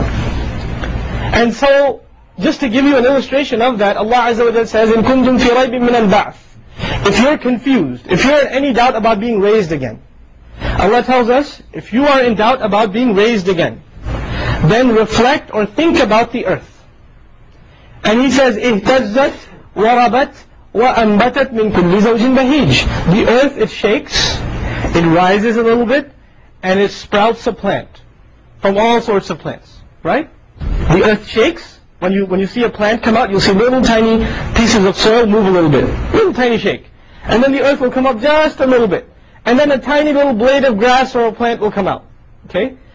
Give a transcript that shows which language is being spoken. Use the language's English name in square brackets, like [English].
[English] And so, just to give you an illustration of that, Allah Azza wa Jalla says, [Arabic] "In kuntum fi raybin min al-ba'th." [English] If you're confused, if you're in any doubt about being raised again, Allah tells us, if you are in doubt about being raised again, then reflect or think about the earth. And He says, [Arabic] اهتزت وربت وأنبتت من كل زوج بهيج. [English] The earth, it shakes, it rises a little bit, and it sprouts a plant from all sorts of plants, right? The earth shakes. When you see a plant come out, you'll see little tiny pieces of soil move a little bit. Little tiny shake. And then the earth will come up just a little bit. And then a tiny little blade of grass or a plant will come out. Okay?